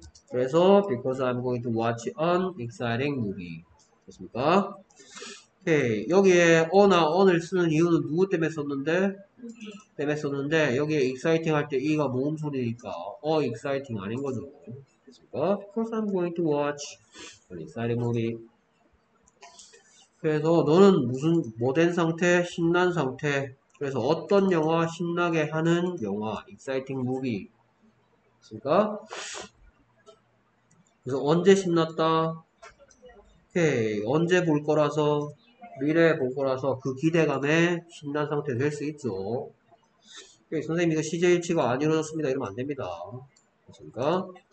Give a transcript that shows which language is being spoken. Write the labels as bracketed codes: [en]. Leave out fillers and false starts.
[ko] 그래서, [en] because I'm going to watch an exciting movie. [ko] 됐습니까? 오케이. 여기에 어나 언을 쓰는 이유는 누구 때문에 썼는데? 때문에 썼는데, 여기에 exciting 할때 이가 모음 소리니까, exciting 아닌 거죠. 됐습니까? [en] because I'm going to watch an exciting movie. [ko] 그래서, 너는 무슨, 뭐된 상태? 신난 상태. 그래서 어떤 영화 신나게 하는 영화 exciting movie 그러니까 그래서 언제 신났다 오케이 언제 볼 거라서 미래에 볼 거라서 그 기대감에 신난 상태 될수 있죠 오케이 선생님 이거 시제일치가 안 이루어졌습니다 이러면 안 됩니다 그러니까